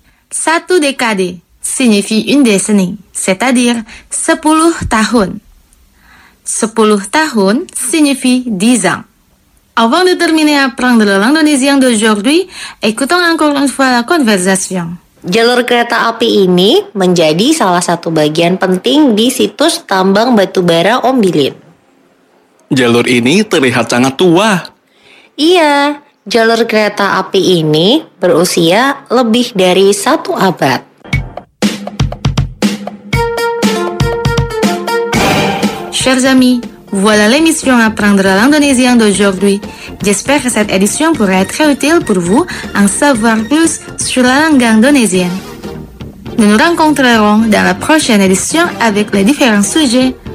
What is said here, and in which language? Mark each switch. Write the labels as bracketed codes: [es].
[id] Satu décadé [fr] signifie une décennie, c'est-à-dire [id] 10 tahun. 10 tahun [fr] signifie 10 ans. Avant de terminer à apprendre le l'indonésien d'aujourd'hui, écoutons encore une fois la conversation. [id] Jalur kereta api ini menjadi salah satu bagian penting di situs tambang batubara Ombilin. Jalur ini terlihat sangat tua. Iya, jalur kereta api ini berusia lebih dari satu abad. [fr] Chers amis, voilà l'émission Apprendre l'indonésien d'aujourd'hui. J'espère que cette édition pourra être utile pour vous en savoir plus sur la langue indonésienne. Nous nous rencontrerons dans la prochaine édition avec les différents sujets.